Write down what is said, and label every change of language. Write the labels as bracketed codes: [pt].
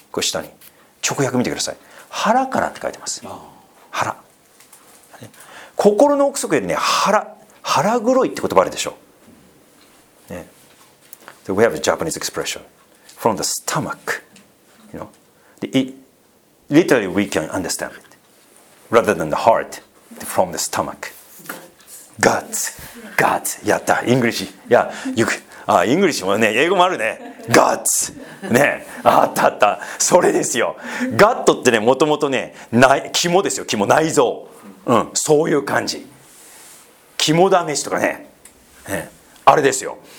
[ja] これ下に直訳見てください。腹からって書いてます。腹、ね、心の奥底でね、腹黒いって言葉あるでしょ、ね、で [en] We have a Japanese expression from the stomach, you know? Literally we can understand it rather than the heart, from the stomach. Guts. [ja] やった、 English. [en] Yeah, you can. [ja] ああ、イングリッシュもね、英語もあるね。ガッツ。ね。あったあった。それですよ。ガットってね、もともとね、肝ですよ。肝、内臓。うん。そういう感じ。肝試しとかね。ね。あれですよ。